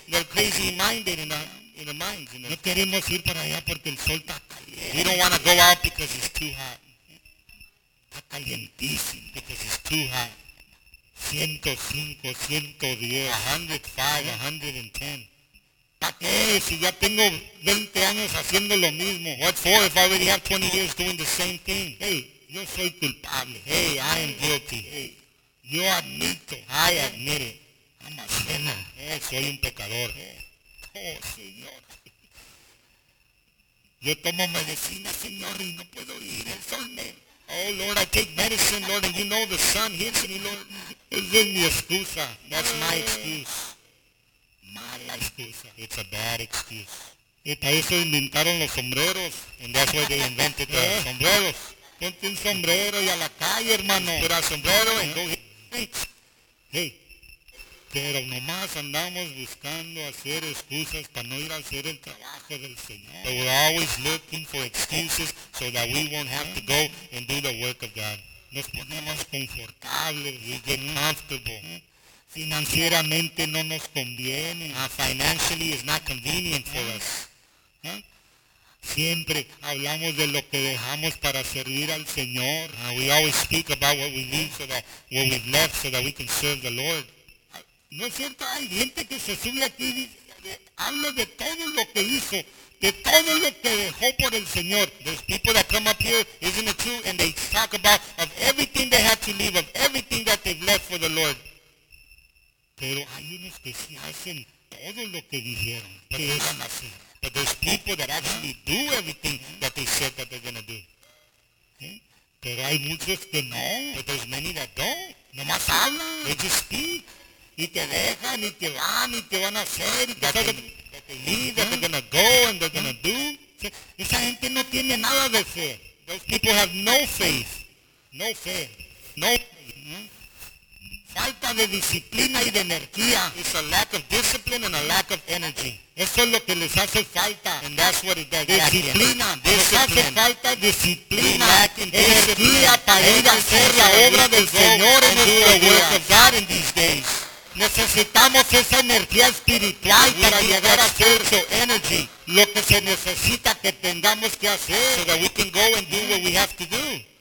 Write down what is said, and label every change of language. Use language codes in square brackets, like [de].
[en] They're crazy minded in the minds. [es] No queremos ir para allá porque el sol está caliente. [en] We don't want to go out because it's too hot. [es] Está calientísimo. [en] Because it's too hot. [es] 105, 110, [en] 105, 110. [es] ¿Para qué? Si ya tengo 20 años haciendo lo mismo. [en] What for if I already have 20 years doing the same thing? [es] Hey, yo soy culpable. [en] Hey, I am guilty. [es] Hey, yo admito. [en] I admit it. I'm a sinner. [es] Hey, soy un pecador. Oh, Señor. Yo tomo medicina, Señor, y no puedo ir. El sol me... [en] Oh, Lord, I take medicine, Lord, and you know the sun hits me, Lord. [es] Es mi excusa. [en] That's my excuse. [es] Mala excusa. [en] It's a bad excuse. [es] Y para eso inventaron los sombreros. [en] And that's why they invented the sombreros. [es] Ponte un sombrero y a la calle, hermano. [en] Put a sombrero and go hit. Hey. [es] Pero nomás andamos buscando hacer excusas para no ir a hacer el trabajo del Señor. [en] But we're always looking for excuses so that we won't have to go and do the work of God. [es] Nos ponemos confortables. [en] We get comfortable. [es] Financieramente no nos conviene. [en] Financially is not convenient for us. [es] Siempre hablamos de lo que dejamos para servir al Señor. [en] We always speak about what we need so that what we've left so that we can serve the Lord. [es] No es cierto, hay gente que se sube aquí y habla de todo lo que hizo, de todo lo que dejó por el Señor. [en] There's people that come up here, isn't it true, and they talk about of everything they had to leave, of everything that they've left for the Lord. [es] Pero hay unos que sí hacen todo lo que dijeron. [en] But there's people that actually do everything that they said that they're going to do. [es] Pero hay muchos que no. [en] But there's many that don't. [es] Nomás hablan. [en] They just speak. [es] Y te dejan, y te van, y te van a hacer, y [en] that they leave, that they're going to go, and they're going to do. [es] Sí. Esa gente no tiene nada de fe. [en] Those people have no faith. [es] No fe. No. Falta de disciplina y de energía. [en] It's a lack of discipline and a lack of energy. [es] Eso es lo que les hace falta. [en] And that's what it does. [es] Disciplina. Les hace falta disciplina. Energía para ir a hacer la obra del Señor en estos días. Necesitamos esa energía espiritual para llegar a hacer lo que se necesita que tengamos que hacer. [en] So that we can go and do what we have to do.